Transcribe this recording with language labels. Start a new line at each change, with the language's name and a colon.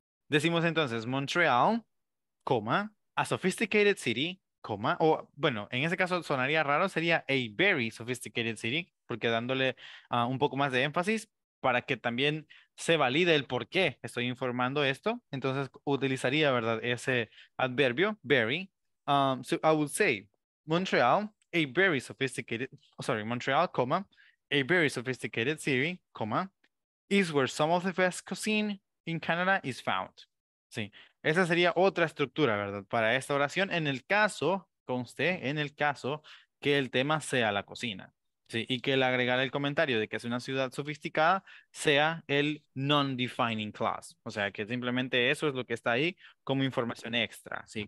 Spanish: Decimos entonces Montreal, coma,
English: a sophisticated city,
Spanish: coma, o bueno, en ese caso sonaría raro, sería
English: a very sophisticated city,
Spanish: porque dándole un poco más de énfasis para que también se valide el por qué estoy informando esto. Entonces utilizaría, ¿verdad?, ese adverbio, very.
English: So I would say, Montreal, a very sophisticated, Montreal, coma, a very sophisticated city, coma, is where some of the best cuisine in Canada is found.
Spanish: Sí, esa sería otra estructura, ¿verdad?, para esta oración, en el caso, conste, en el caso que el tema sea la cocina. Sí, y que el agregar el comentario de que es una ciudad sofisticada sea el non-defining clause. O sea, que simplemente eso es lo que está ahí como información extra, ¿sí?